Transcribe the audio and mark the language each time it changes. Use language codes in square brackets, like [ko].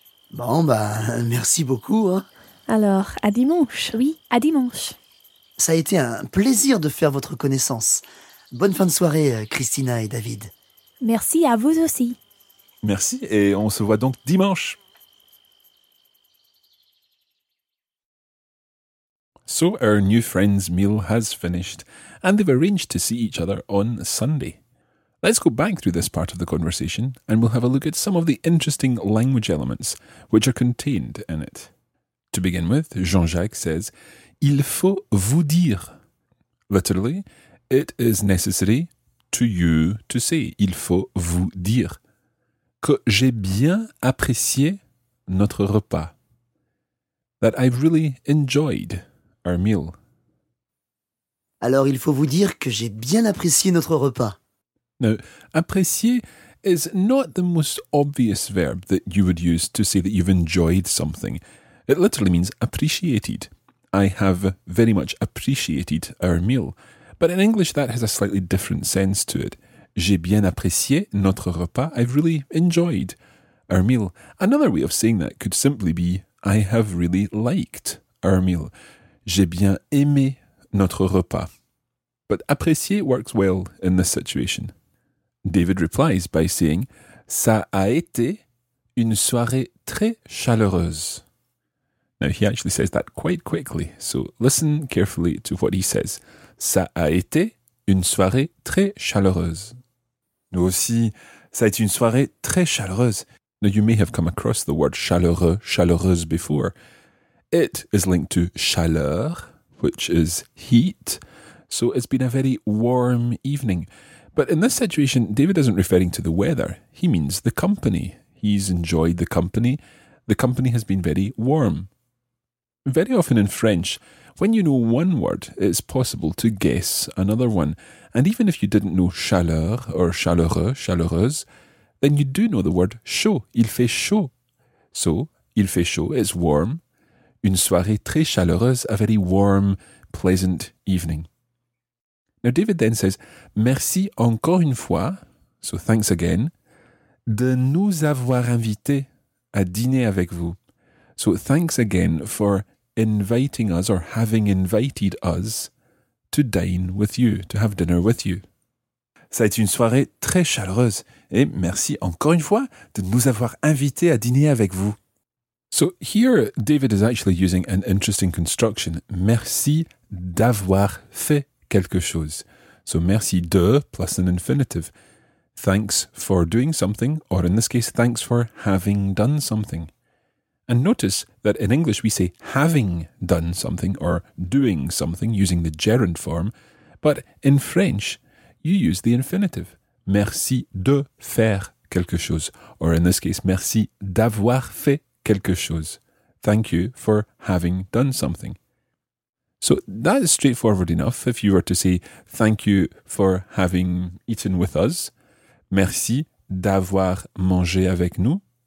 [fr] Bon, ben, merci beaucoup. Hein. Alors, à dimanche. Oui, à dimanche. Ça a été un plaisir de faire votre connaissance. Bonne fin de soirée, Christina et David. Merci à vous aussi. Merci et on se voit donc dimanche. [en] So our new friends' meal has finished and they've arranged to see each other on Sunday. Let's go back through this part of the conversation and we'll have a look at some of the interesting language elements which are contained in it. To begin with, Jean-Jacques says, [fr] il faut vous dire. [en] Literally, it is necessary to you to say, [fr] il faut vous dire. Que j'ai bien apprécié notre repas. [en] That I've really enjoyed our meal. [fr] Alors, il faut vous dire que j'ai bien apprécié notre repas. [en] Now, apprécier is not the most obvious verb that you would use to say that you've enjoyed something. It literally means appreciated. I have very much appreciated our meal. But in English, that has a slightly different sense to it. [fr] J'ai bien apprécié notre repas. [en] I've really enjoyed our meal. Another way of saying that could simply be I have really liked our meal. [fr] J'ai bien aimé notre repas. [en] But apprécier works well in this situation. David replies by saying, [fr] ça a été une soirée très chaleureuse. [en] Now, he actually says that quite quickly, so listen carefully to what he says. [fr] Ça a été une soirée très chaleureuse. Nous aussi, ça a été une soirée très chaleureuse. [en] Now, you may have come across the word chaleureux, chaleureuse before. It is linked to chaleur, which is heat, so it's been a very warm evening. But in this situation, David isn't referring to the weather. He means the company. He's enjoyed the company. The company has been very warm. Very often in French, when you know one word, it's possible to guess another one. And even if you didn't know chaleur or chaleureux, chaleureuse, then you do know the word chaud. [fr] Il fait chaud. [en] So, [fr] il fait chaud, [en] it's warm. [fr] Une soirée très chaleureuse, [en] a very warm, pleasant evening. Now, David then says, [fr] merci encore une fois, [en] so thanks again, [fr] de nous avoir invités à dîner avec vous. [en] So, thanks again for inviting us or having invited us to dine with you, to have dinner with you. [fr] Ça a été une soirée très chaleureuse et merci encore une fois de nous avoir invités à dîner avec vous. [en] So here David is actually using an interesting construction. [fr] Merci d'avoir fait quelque chose. [en] So [fr] merci de [en] plus an infinitive. Thanks for doing something, or in this case, thanks for having done something. And notice that in English we say having done something or doing something using the gerund form, but in French you use the infinitive. Merci de faire quelque chose, or in this case, merci d'avoir fait quelque chose. Thank you for having done something. So that is straightforward enough if you were to say thank you for having eaten with us. [fr] Merci d'avoir mangé avec nous.